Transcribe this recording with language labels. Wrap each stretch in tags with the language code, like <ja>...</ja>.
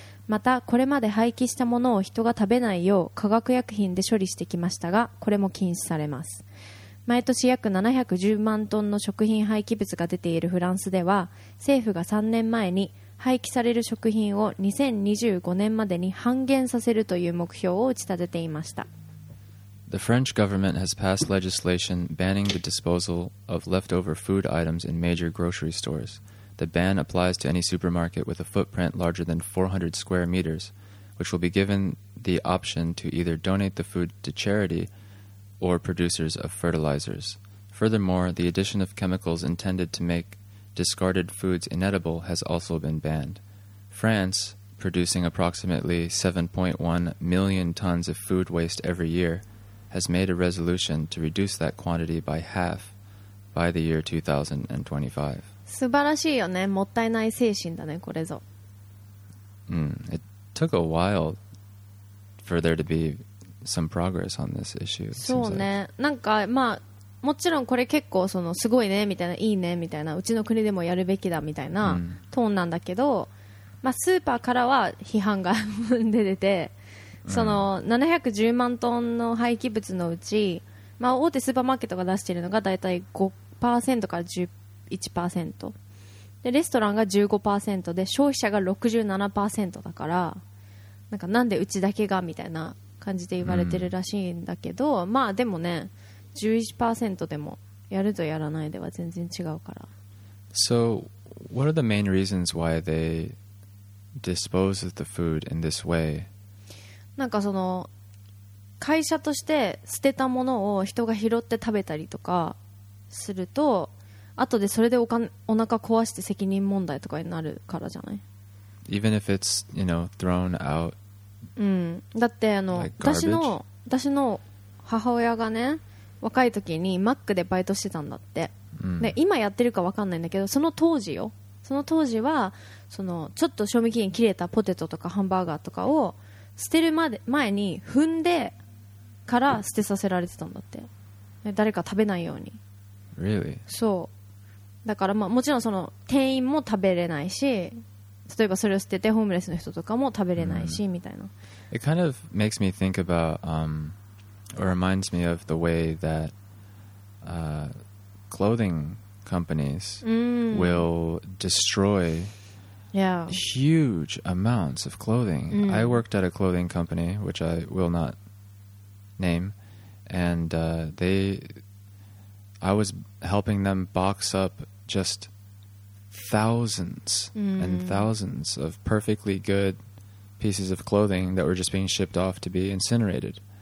<ja>またこれまで廃棄したものを人が食べないよう化学薬品で処理してきましたが、これも禁止されます。毎年約710万トンの食品廃棄物が出ているフランスでは、政府が3年前に廃棄される食品を2025年までに半減させるという目標を打ち立てていました。</ja> <en>The French government has passed legislation banning the disposal of leftover food items in major grocery stores. The ban applies to any supermarket with a footprint larger than 400 square meters, which will be given the option to either donate the food to charity or producers of fertilizers. Furthermore, the addition of chemicals intended to make discarded foods inedible has also been banned. France, producing approximately 7.1 million tons of food waste every year,has made a resolution to reduce that quantity by half by the year 2025.</en> <ja>素晴らしいよね。もったいない精神だね、これぞ。</ja> <en>It took a while for there to be some progress on this issue.</en> <ja>そうね。なんか、まあ、もちろんこれ結構そのすごいねみたいな、いいねみたいな、うちの国でもやるべきだみたいなトーンなんだけど、まあ、スーパーからは批判が出てて、その710万トンの廃棄物のうち、まあ、大手スーパーマーケットが出しているのがだいたい 5% から 11% で、レストランが 15% で、消費者が 67% だから、なんかなんでうちだけがみたいな感じで言われてるらしいんだけど、まあでもね、 11% でもやるとやらないでは全然違うから。</ja> <en>So what are the main reasons why they dispose of the food in this way?</en> <ja>なんかその会社として捨てたものを人が拾って食べたりとかすると、後でそれでお腹壊して責任問題とかになるからじゃない。</ja> <en>Even if it's, you know, thrown out、</en> <ja>だってあの、私の母親がね、若い時にマックでバイトしてたんだって、で今やってるか分かんないんだけど、その当時はそのちょっと賞味期限切れたポテトとかハンバーガーとかを捨てる前に踏んでから捨てさせられてたんだって。誰か食べないように、</ja> <en>really?</en> <ja>そうだから、まあ、もちろんその店員も食べれないし、例えばそれを捨ててホームレスの人とかも食べれないし、みたいな。</ja> <en>It kind of makes me think about、or reminds me of the way that、clothing companies、will destroy Yeah. Huge amounts of clothing. I worked at a clothing company, which I will not name, and I was helping them box up just thousands and thousands of perfectly good pieces of clothing that were just being shipped off to be incinerated.</en>